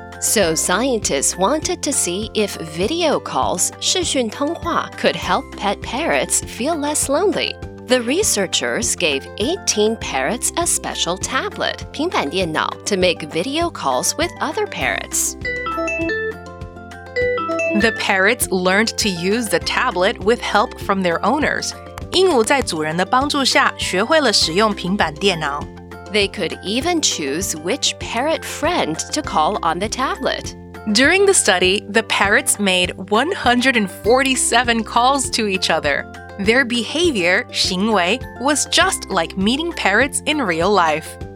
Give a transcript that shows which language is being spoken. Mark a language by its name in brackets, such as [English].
[English] So scientists wanted to see if video calls, 视讯通话, could help pet parrots feel less lonely. The researchers gave 18 parrots a special tablet, 平板电脑, to make video calls with other parrots. The parrots learned to use the tablet with help from their owners. [Chinese] 鸚鵡在主人的帮助下学会了使用平板电脑。 [English] They could even choose which parrot friend to call on the tablet. During the study, the parrots made 147 calls to each other. Their behavior, 行为, was just like meeting parrots in real life.